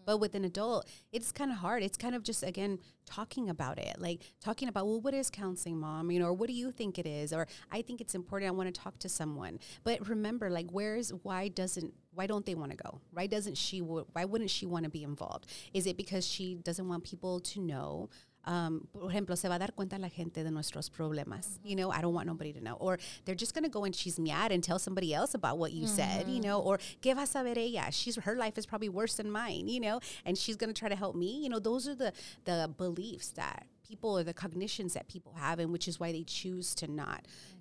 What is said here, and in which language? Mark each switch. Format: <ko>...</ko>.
<en>But with an adult, it's kind of hard. It's kind of just, again, talking about it. Like, talking about, well, what is counseling, Mom? You know, or what do you think it is? Or I think it's important. I want to talk to someone. But remember, like, why don't they want to go? Why wouldn't she want to be involved? Is it because she doesn't want people to know?</en> <es>Por ejemplo, se va a dar cuenta la gente de nuestros problemas.</es> <en>Mm-hmm. You know, I don't want nobody to know. Or they're just going to go and chismear and tell somebody else about what you mm-hmm. said, you know. Or,</en> <es>¿qué va a saber ella?</es> <en>Her life is probably worse than mine, you know. And she's going to try to help me. You know, those are the beliefs that people or the cognitions that people have, and which is why they choose to not mm-hmm.</en>